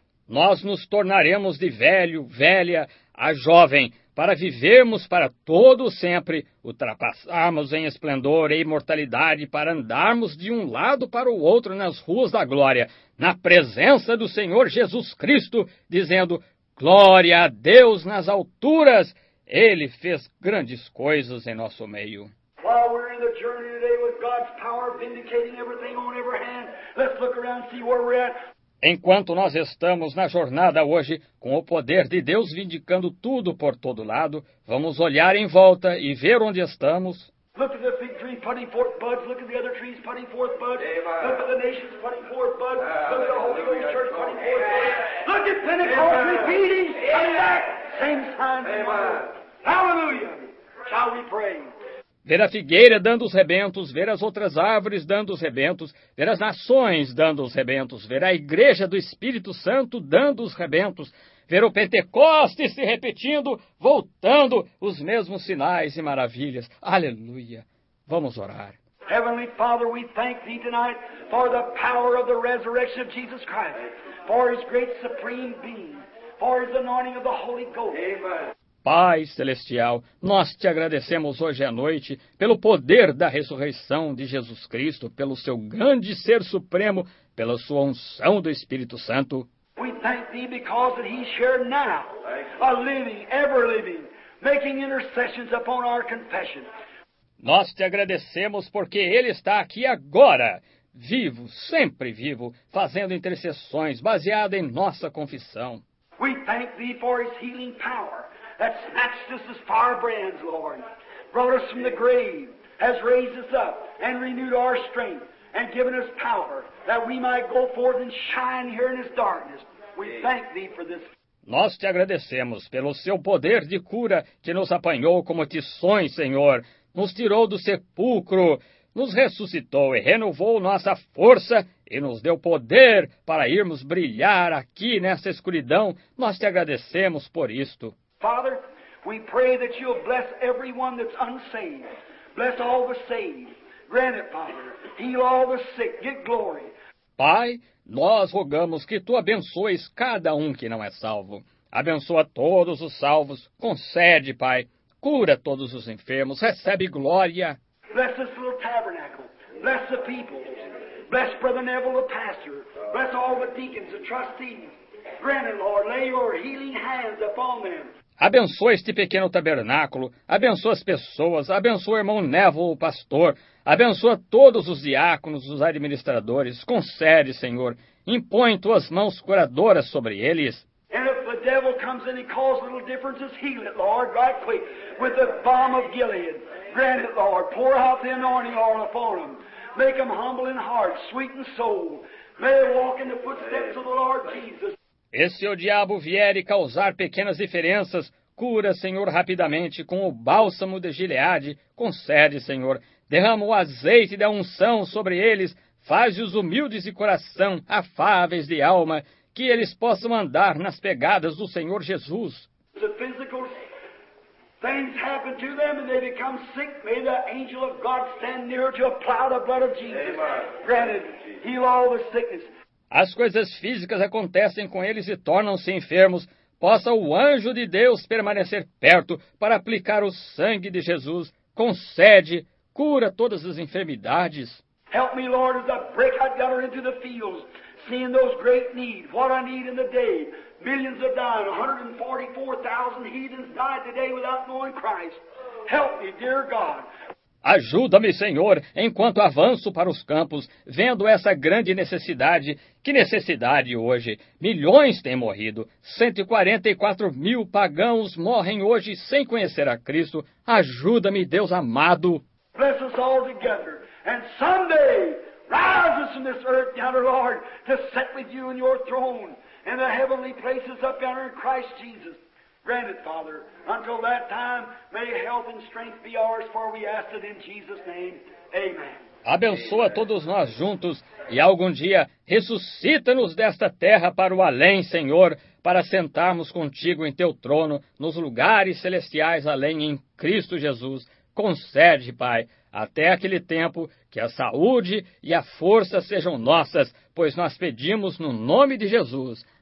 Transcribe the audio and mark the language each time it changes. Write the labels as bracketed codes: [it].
[pt] Nós nos tornaremos de velho, velha, a jovem, para vivermos para todo sempre, ultrapassarmos em esplendor e imortalidade, para andarmos de um lado para o outro nas ruas da glória, na presença do Senhor Jesus Cristo, dizendo, glória a Deus nas alturas, Ele fez grandes coisas em nosso meio. [en] While we're in the journey today with God's power vindicating everything on every hand, let's look around and see where we're at. [pt] Enquanto nós estamos na jornada hoje, com o poder de Deus vindicando tudo por todo lado, vamos olhar em volta e ver onde estamos. [en] Look at the fig tree putting forth buds, look at the other trees putting forth buds, Amen. Look at the nations putting forth buds, Look at the Holy Ghost Church putting forth buds, Look at Pentecost repeating, coming back, same signs and wonders. Hallelujah! Shall we pray? [pt] Ver a figueira dando os rebentos, ver as outras árvores dando os rebentos, ver as nações dando os rebentos, ver a igreja do Espírito Santo dando os rebentos, ver o Pentecostes se repetindo, voltando os mesmos sinais e maravilhas. Aleluia! Vamos orar. [en] Heavenly Father, we thank Thee tonight for the power of the resurrection of Jesus Christ, for His great supreme being, for His anointing of the Holy Ghost. Amen. [pt] Pai Celestial, nós te agradecemos hoje à noite pelo poder da ressurreição de Jesus Cristo, pelo seu grande ser supremo, pela sua unção do Espírito Santo. [en] We thank thee because that he's here now, a living, ever living, making intercessions upon our confession. [pt] Nós te agradecemos porque ele está aqui agora, vivo, sempre vivo, fazendo intercessões baseada em nossa confissão. [en] We thank thee for his healing power that snatched us as firebrands, Lord, brought us from the grave, has raised us up and renewed our strength and given us power that we might go forth and shine here in this darkness. We thank thee for this. [pt] Nós te agradecemos pelo seu poder de cura que nos apanhou como tições, Senhor, nos tirou do sepulcro, nos ressuscitou e renovou nossa força e nos deu poder para irmos brilhar aqui nessa escuridão. Nós te agradecemos por isto. [en] Father, we pray that you'll bless everyone that's unsaved. Bless all the saved. Grant it, Father. Heal all the sick. Get glory. [pt] Pai, nós rogamos que tu abençoes cada um que não é salvo. Abençoa todos os salvos. Concede, Pai. Cura todos os enfermos. Recebe glória. [en] Bless this little tabernacle. Bless the people. Bless Brother Neville, the pastor. Bless all the deacons, the trustees. Grant it, Lord. Lay your healing hands upon them. [pt] Abençoa este pequeno tabernáculo, abençoa as pessoas, abençoa o irmão Neville, o pastor, abençoa todos os diáconos, os administradores, concede, Senhor, impõe tuas mãos curadoras sobre eles. [en] And if the devil comes in and causes little differences, heal it, Lord, right quick, with the balm of Gilead. Grant it, Lord, pour out the anointing oil upon them. Make them humble in heart, sweet in soul. May they walk in the footsteps of the Lord Jesus. [pt] E se o diabo vier e causar pequenas diferenças, cura, Senhor, rapidamente com o bálsamo de Gileade. Concede, Senhor, derrama o azeite da unção sobre eles, faz-os humildes de coração, afáveis de alma, que eles possam andar nas pegadas do Senhor Jesus. [en] The physical things happen to them and they become sick. May the angel of God stand nearer to apply the blood of Jesus. Granted, heal all the sickness. [pt] As coisas físicas acontecem com eles e tornam-se enfermos. Possa o anjo de Deus permanecer perto para aplicar o sangue de Jesus. Concede, cura todas as enfermidades. [en] Help me, Lord, as I break out gutter into the fields, seeing those great needs, what I need in the day. Millions have died, 144,000 heathens died today without knowing Christ. Help me, dear God. [pt] Ajuda-me, Senhor, enquanto avanço para os campos, vendo essa grande necessidade. Que necessidade hoje! Milhões têm morrido. 144 mil pagãos morrem hoje sem conhecer a Cristo. Ajuda-me, Deus amado. [en] Bless us all together. And someday, rise us from this earth, yonder, Lord, to sit with you in your throne in the heavenly places up yonder in Christ Jesus. Grant it, Father. Until that time, may health and strength be ours, for we ask it in Jesus' name. Amen. [pt] Abençoa Amen. Todos nós juntos e algum dia ressuscita-nos desta terra para o além, Senhor, para sentarmos contigo em teu trono, nos lugares celestiais além em Cristo Jesus. Concede, Pai, até aquele tempo que a saúde e a força sejam nossas, pois nós pedimos no nome de Jesus.